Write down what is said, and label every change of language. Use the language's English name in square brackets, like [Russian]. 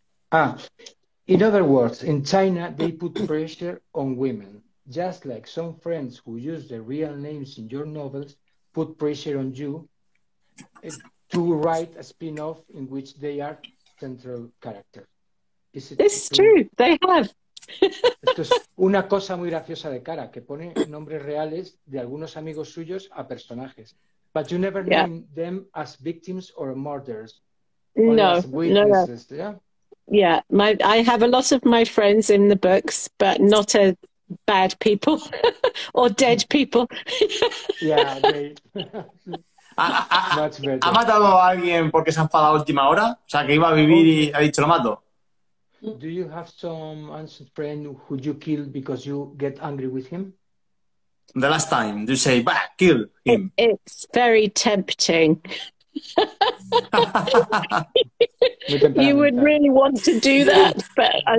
[English] Ah, in other words, in China, they put pressure on women. Just like some friends who use their real names in your novels put pressure on you to write a spin-off in which they are central character. Is it this true? They have. [Spanish] Esto es una cosa muy graciosa de Cara, que pone nombres reales de algunos amigos suyos a personajes. [English] But you never name them as victims or murderers. No, witnesses. Yeah, I have a lot of my friends in the books, but not a bad people or dead people. Yeah, [Spanish] ha matado a alguien porque se ha enfadado a última hora, o sea, que iba a vivir y ha dicho lo mato. [English] Do you have some ancient friend who you kill because you get angry with him? The last time you say, bah, kill him. It's very tempting. You would really want to do that, but